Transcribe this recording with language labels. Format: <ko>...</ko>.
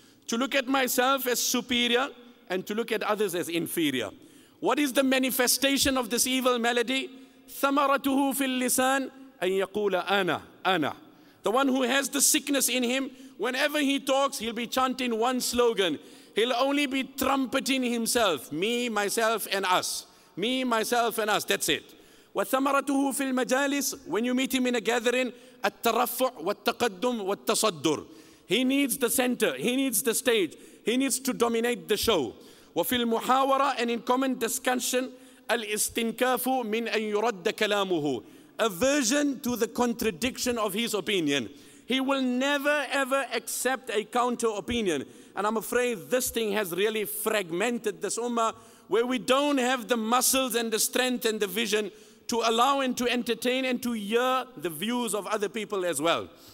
<en>To look at myself as superior and to look at others as inferior. What is the manifestation of this evil malady?</en> <ar>ثمرته في اللسان أن يقول أنا أنا.</ar> <en>The one who has the sickness in him, whenever he talks, he'll be chanting one slogan. He'll only be trumpeting himself. Me, myself, and us. Me, myself, and us. That's it.</en> <ar>وثمرته في المجالس.</ar> <en>When you meet him in a gathering,</en> <ar>الترفع والتقدم والتصدر.</ar> <en>He needs the center, he needs the stage, he needs to dominate the show.</en> <ar>وفي المحاورة</ar> <en>and in common discussion,</en> <ar>الاستنكاف من أن يرد كلامه.</ar> <en>Aversion to the contradiction of his opinion. He will never ever accept a counter opinion. And I'm afraid this thing has really fragmented this ummah, where we don't have the muscles and the strength and the vision to allow and to entertain and to hear the views of other people as well.</en>